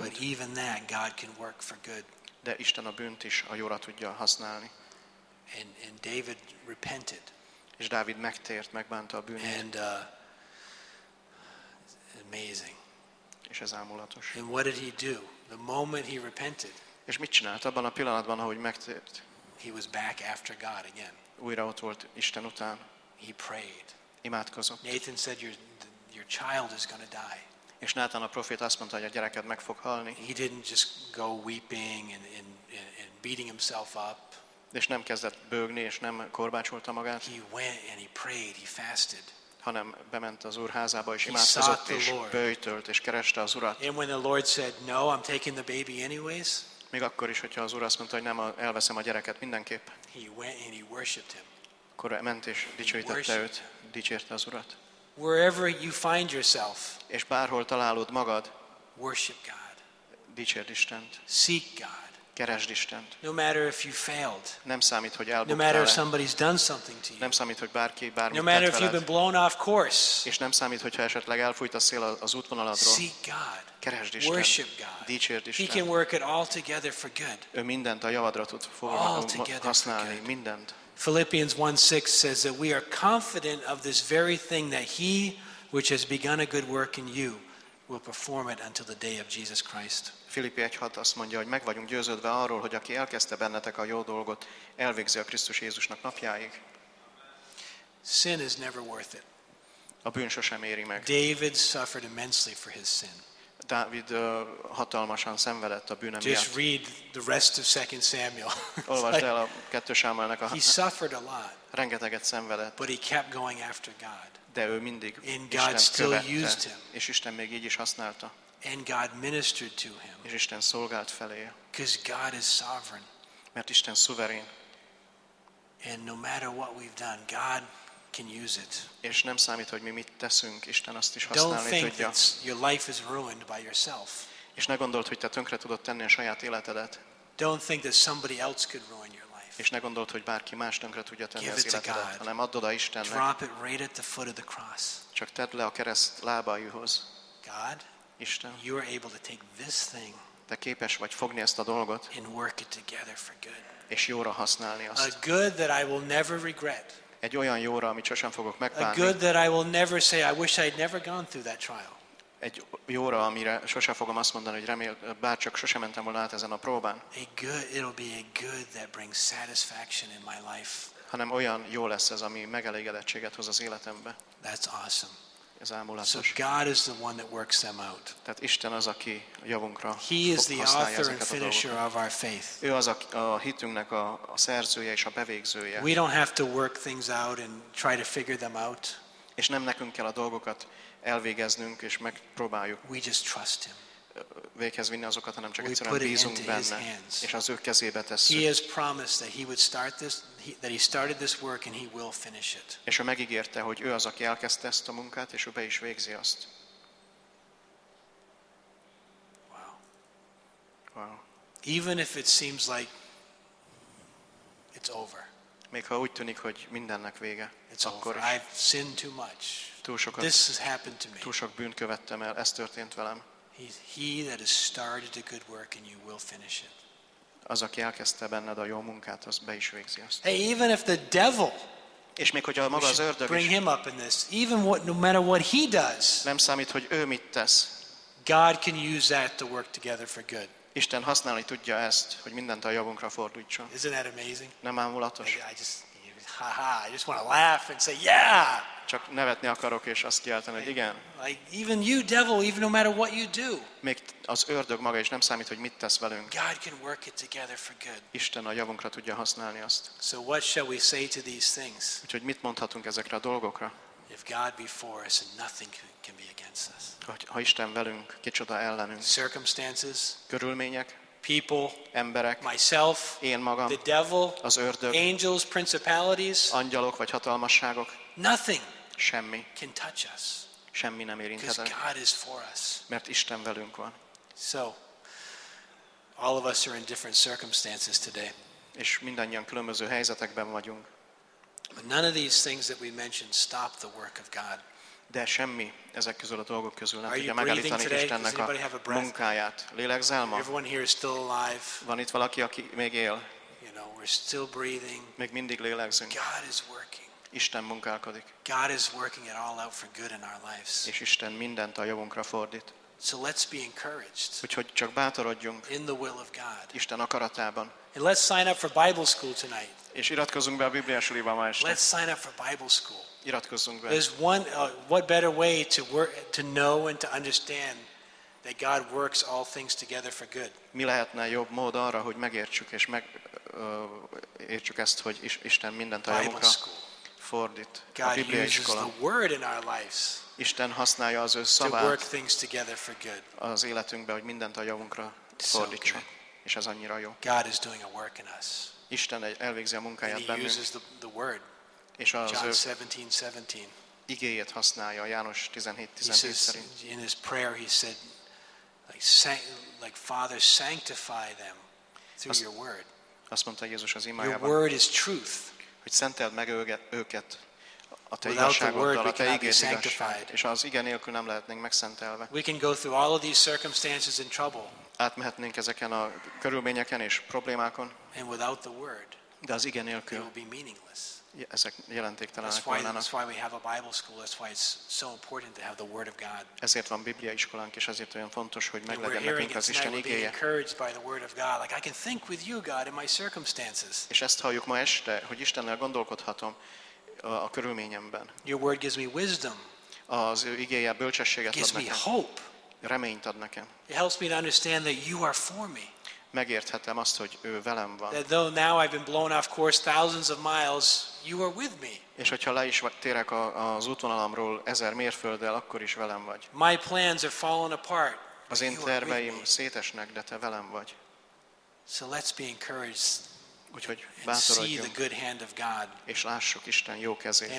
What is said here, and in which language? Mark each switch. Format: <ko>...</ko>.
<en>But even that, God can work for good.</en> <hu>De Isten a bűnt is a jóra tudja használni.</hu> <en>And David repented.</en> <hu>És Dávid megtért, megbánta a bűnt.</hu> <en>And amazing.</en> <hu>És ez ámulatos.</hu> <en>And what did he do? The moment he repented.</en> <hu>És mit csinált abban a pillanatban, ahogy megtért?</hu> <en>He was back after God again.</en> <hu>Újra ott volt Isten után.</hu> <en>He prayed.</en> <hu>Imádkozott.</hu> <en>Nathan said your child is going to die.</en> <hu>És Nátán a proféta azt mondta, hogy a gyereked meg fog halni.</hu> <en>He didn't just go weeping and beating himself up.</en> <hu>És nem kezdett bőgni, és nem korbácsolta magát.</hu> <en>He went and he prayed, he fasted.</en> <hu>Hanem bement az Úr házába, és imádkozott, és böjtölt, és kereste az Urat.</hu> <en>And when the Lord said, no, I'm taking the baby anyways.</en> <hu>Még akkor is, hogyha az Úr azt mondta, hogy nem, elveszem a gyereket mindenképp.</hu> <en>He went and he worshiped him.</en> <hu>Akkor ment és dicsőítette őt, dicsérte az Urat.</hu> <en>Wherever you find yourself,</en> <hu>és bárhol találod magad,</hu> <en>worship God.</en> <hu>Dicsérd Istent.</hu> <en>Seek God.</en> <hu>Keresd Istent.</hu> <en>No matter if you failed,</en> <hu>nem számít, hogy elbuktál-e.</hu> <en>No matter if somebody's done something to you,</en> <hu>nem számít, hogy bárki bármit tett veled.</hu> <en>No matter if you've been blown off course,</en> <hu>és nem számít, hogyha esetleg elfújt a szél az útvonaladról.</hu> <en>Seek God.</en> <hu>Keresd Istent.</hu> <en>Worship God.</en> <hu>Dicsérd Istent.</hu> <en>He can work it all together for good.</en> <hu>Ő mindent a javadra tud használni. Mindent.</hu> <en>Philippians 1:6 says that we are confident of this very thing that he which has begun a good work in you will perform it until the day of Jesus Christ.</en> <hu>Filippi 1:6 azt mondja, hogy meg vagyunk győződve arról, hogy aki elkezdte bennetek a jó dolgot, elvégzi a Krisztus Jézusnak napjáig.</hu> <en>Sin is never worth it.</en> <hu>A bűn sosem éri meg.</hu> <en>David suffered immensely for his sin.</en> <hu>Dávid hatalmasan szenvedett a bűne miatt.</hu> <en>Just read the rest of 2 Samuel.</en> <hu>Olvasd el a 2 Sámuelnek a.</hu> <en>He suffered a lot.</en> <hu>Rengeteget szenvedett.</hu> <en>But he kept going after God.</en> <hu>De ő mindig</hu> <en>and God</en> <hu>Istent</hu> <en>still</en> <hu>követte,</hu> <en>used him.</en> <hu>És Isten még így is használta.</hu> <en>And God ministered to him.</en> <hu>És Isten szolgált felé.</hu> <en>Because God is sovereign.</en> <hu>Mert Isten szuverén.</hu> <en>And no matter what we've done, God can use it.</en> <hu>És nem számít, hogy mi mit teszünk, Isten azt is használni</hu> <en>don't think</en> <hu>tudja.</hu> <en>Your life is ruined by yourself.</en> <hu>És ne gondold, hogy te tönkre tudod tenni a saját életedet.</hu> <en>Don't think that somebody else could ruin your life.</en> <hu>És ne gondold, hogy bárki más tönkre tudja tenni</hu> <en>give</en> <hu>az életedet, hanem add oda Istennek.</hu> <en>Drop it right at the foot of the cross.</en> <hu>Csak tedd le a kereszt lábaihoz.</hu> <en>God,</en> <hu>Isten,</hu> <en>you are able to take this thing.</en> <hu>Te képes vagy fogni ezt a dolgot.</hu> <en>And work it together for good.</en> <hu>És jóra használni azt.</hu> <en>A good that I will never regret.</en> <hu>Egy olyan jóra, amit sosem fogok megbánni.</hu> <en>A good that I will never say I wish I'd never gone through that trial.</en> <hu>Egy jóra, amire sosem fogom azt mondani, hogy remél, bárcsak sosem mentem volna át ezen a próbán.</hu> <en>A good, it'll be a good that brings satisfaction in my life.</en> <hu>hanem olyan jó lesz ez, ami megelégedettséget hoz az életembe.</hu> <en>That's awesome.</en> <hu>Ez álmulatos.</hu> <en>So God is the one that works them out.</en> <hu>Tehát Isten az, aki javunkra</hu> <en>He is the author and finisher of our faith.</en> <hu>Ő az a hitünknek a szerzője és a bevégzője.</hu> <en>We don't have to work things out and try to figure them out.</en> <hu>És nem nekünk kell a dolgokat elvégeznünk és megpróbáljuk.</hu> <en>We just trust him.</en> <hu>Véghez vinni azokat, hanem csak egyszerűen bízunk benne, és az ő kezébe tesszük.</hu> <en>He has promised that he would start this, that he started this work and he will finish it.</en> <hu>És ő megígérte, hogy ő az, aki elkezdte ezt a munkát, és ő be is végzi azt.</hu> <en>Wow. Wow. Even if it seems like it's over.</en> <hu>Még ha úgy tűnik, hogy mindennek vége,</hu> <en>it's</en> <hu>akkor</hu> <en>over. I've sinned too much.</en> <hu>Túl sokat,</hu> <en>this has happened to me.</en> <hu>Túl sok bűnt követtem el, ez történt velem.</hu> <en>He that has started a good work and you will finish it.</en> <hu>Az, aki elkezdte benned a jó munkát, az be is végzi azt.</hu> <en>Hey, even if the devil,</en> <hu>és még hogyha maga az ördög is,</hu> <en>bring him up in this, even what, no matter what he does,</en> <hu>nem számít, hogy ő mit tesz.</hu> <en>God can use that to work together for good.</en> <hu>Isten használni tudja ezt, hogy mindent a javunkra fordítson.</hu> <en>Isn't that amazing?</en> <hu>Nem ámulatos?</hu> <en>I just want to laugh and say, yeah.</en> <hu>Csak nevetni akarok és azt kiáltani, hogy igen.</hu> <en>Like even you devil, even no matter what you do.</en> <hu>Még az ördög maga is nem számít, hogy mit tesz velünk.</hu> <en>God can work it together for good.</en> <hu>Isten a javunkra tudja használni azt.</hu> <en>So what shall we say to these things?</en> <hu>Úgyhogy mit mondhatunk ezekre a dolgokra?</hu> <en>If God be for us, nothing can be against us.</en> <hu>Ha Isten velünk, kicsoda ellenünk?</hu> <en>Circumstances.</en> <hu>Körülmények.</hu> <en>People,</en> <hu>emberek,</hu> <en>myself,</en> <hu>én magam,</hu> <en>the devil,</en> <hu>az ördög,</hu> <en>angels, principalities,</en> <hu>angyalok vagy hatalmasságok,</hu> <en>nothing,</en> <hu>semmi,</hu> <en>can touch us,</en> <hu>semmi nem érinthet,</hu> <en>because God is for us,</en> <hu>mert Isten velünk van.</hu> <en>So, all of us are in different circumstances today,</en> <hu>és mindannyian különböző helyzetekben vagyunk.</hu> <en>But none of these things that we mentioned stop the work of God.</en> <hu>De semmi ezek közül a dolgok közül nem tudja megállítani Istennek a munkáját. Lélegzel ma?</hu> <en>Everyone here is still alive.</en> <hu>Van itt valaki, aki még él?</hu> <en>You know, we're still breathing.</en> <hu>Még mindig lélegzünk.</hu> <en>God is working.</en> <hu>Isten munkálkodik.</hu> <en>God is working it all out for good in our lives.</en> <hu>És Isten mindent a javunkra fordít.</hu> <en>So let's be encouraged.</en> <hu>Úgyhogy csak bátorodjunk.</hu> <en>In the will of God.</en> <hu>Isten akaratában.</hu> <en>And let's sign up for Bible school tonight.</en> <hu>És iratkozzunk be a Bibliás suliba ma este.</hu> <en>Let's sign up for Bible school.</en> <hu>Iratkozzunk be.</hu> <en>There's one what better way to work, to know and to understand that God works all things together for good.</en> <hu>Mi lehetne jobb mód arra, hogy megértsük és meg értsük ezt, hogy Isten mindent a javunkra fordít.</hu> <en>God</en> <hu>a Biblia iskola.</hu> <en>Uses the word in our lives.</en> <hu>Isten használja az ő szavát.</hu> <en>To work things together for good.</en> <hu>Az életünkbe, hogy mindent a javunkra fordítsa.</hu> <en>So</en> <hu>és ez annyira jó.</hu> <en>God is doing a work in us.</en> <hu>Isten elvégzi a munkáját bennünk.</hu> <en>And he uses the word.</en> <hu>És az</hu> <en>John 17:17.</en> <hu>Igéjét használja János 17:17 szerint.</hu> <en>In his prayer he said like Father sanctify them through your word.</en> <hu>Azt mondta Jézus az imájában.</hu> <en>Your word is truth.</en> <hu>Hogy szenteld meg őket a te igazságoddal, a te igéd. És az ige nélkül nem lehetnénk megszentelve.</hu> <en>We can go through all of these circumstances and trouble.</en> <hu>Átmehetnénk ezeken a körülményeken és problémákon.</hu> <en>And without the word.</en> <hu>De az ige nélkül.</hu> <en>It will be meaningless.</en> <hu>Ezek jelentéktelenek volnának.</hu> <en>That's why we have a Bible school. That's why it's so important to have the word of God.</en> <hu>Ezért van Biblia iskolánk, és ezért olyan fontos, hogy meglegyen nekünk az Isten igéje.</hu> <en>We're encouraged by the word of God. Like I can think with you, God, in my circumstances.</en> <hu>És ezt halljuk ma este, hogy Istennel gondolkodhatom a körülményemben.</hu> <en>Your word gives me wisdom.</en> <hu>Az ő igéje bölcsességet ad nekem.</hu> <en>Gives me hope.</en> <hu>Reményt ad nekem.</hu> <en>It helps me to understand that you are for me.</en> <hu>Megérthetem azt, hogy ő velem van.</hu> <en>That though now I've been blown off course thousands of miles, you are with me.</en> <hu>És hogyha le is térek az útvonalamról ezer mérfölddel, akkor is velem vagy.</hu> <en>My plans are falling apart.</en> <hu>Az én terveim szétesnek, de te velem vagy.</hu> <en>So let's be encouraged.</en> <hu>Úgyhogy bátorodjunk.</hu> <en>See the good hand of God.</en> <hu>És lássuk Isten jó kezét.</hu>